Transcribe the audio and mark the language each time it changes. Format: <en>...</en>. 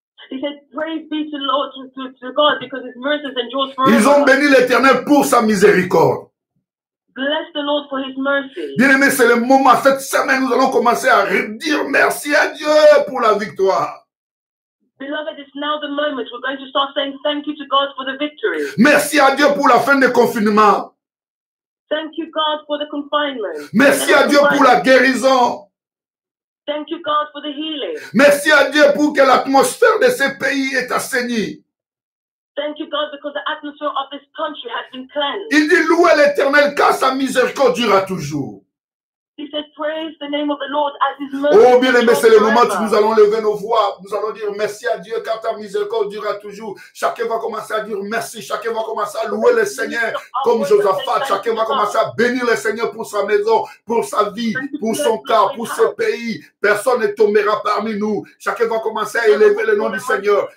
<en>He said, praise be to the Lord, to God, because his mercy is endures forever.</en> <fr>Ils ont béni l'Éternel pour sa miséricorde.</fr> <en>Bless the Lord for his mercy.</en> <fr>Bien-aimés, c'est le moment, cette semaine, nous allons commencer à dire merci à Dieu pour la victoire.</fr> <en>Beloved, it's now the moment. We're going to start saying thank you to God for the victory.</en> <fr>Merci à Dieu pour la fin du confinement.</fr> <en>Thank you, God, for the confinement.</en> <fr>Merci à Dieu pour la guérison.</fr> <en>Thank you God for the healing.</en> <fr>Merci à Dieu pour que l'atmosphère de ce pays est assainie.</fr> <en>Thank you God because the atmosphere of this country has been cleansed.</en> <fr>Il dit louez l'Éternel car sa miséricorde durera toujours.</fr> <en>He said praise the name of the Lord as his mercy.</en> <fr>Oh bien aimé, c'est le moment où nous allons lever nos voix. Nous allons dire merci à Dieu car ta miséricorde durera toujours. Chacun va commencer à dire merci. Chacun va commencer à louer le Seigneur comme Josaphat. Chacun va commencer à bénir le Seigneur pour sa maison, pour sa vie, pour son cas, pour ce pays. Personne ne tombera parmi nous. Chacun va commencer à élever le nom du Seigneur.</fr>